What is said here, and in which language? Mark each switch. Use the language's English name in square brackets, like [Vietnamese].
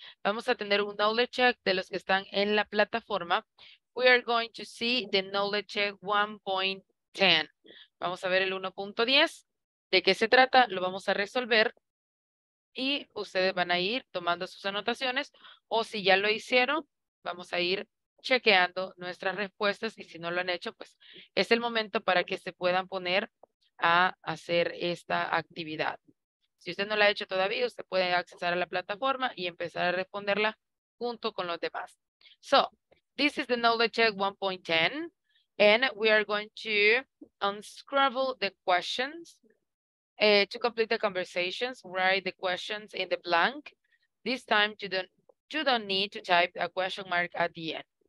[Spanish] Vamos a tener un knowledge check de los que están en la plataforma. [English] We are going to see the knowledge check 1.10. [Spanish] Vamos a ver el 1.10. ¿De qué se trata? Lo vamos a resolver. Y ustedes van a ir tomando sus anotaciones. O si ya lo hicieron, vamos a ir chequeando nuestras respuestas. Y si no lo han hecho, pues es el momento para que se puedan poner a hacer esta actividad. Si usted no la ha hecho todavía, usted puede accesar a la plataforma y empezar a responderla junto con los demás. [English] So, this is the knowledge check 1.10, and we are going to unscramble the questions to complete the conversations. Write the questions in the blank. This time, you don't need to type a question mark at the end.